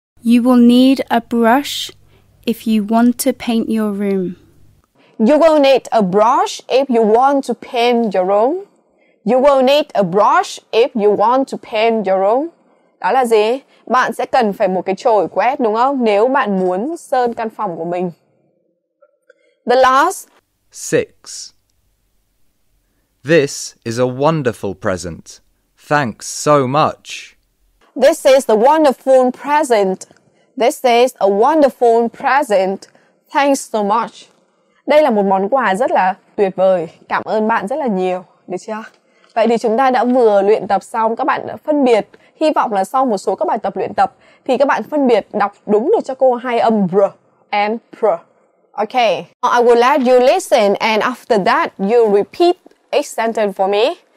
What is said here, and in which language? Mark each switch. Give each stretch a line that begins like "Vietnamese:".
English: You will need a brush if you want to paint your room. You will need a brush if you want to paint your room. You will need a brush if you want to paint your room.
Vietnamese: Đó là gì? Bạn sẽ cần phải một cái chổi quét, đúng không? Nếu bạn muốn sơn căn phòng của mình.
English: The last. Six. This is a wonderful present. Thanks so much. This is a wonderful present. This is a wonderful present. Thanks so much.
Vietnamese: Đây là một món quà rất là tuyệt vời. Cảm ơn bạn rất là nhiều. Được chưa? Vậy thì chúng ta đã vừa luyện tập xong, các bạn đã phân biệt. Hy vọng là sau một số các bài tập luyện tập thì các bạn phân biệt đọc đúng được cho cô hai âm br and pr.
English: Okay. I will let you listen and after that you repeat a sentence for me.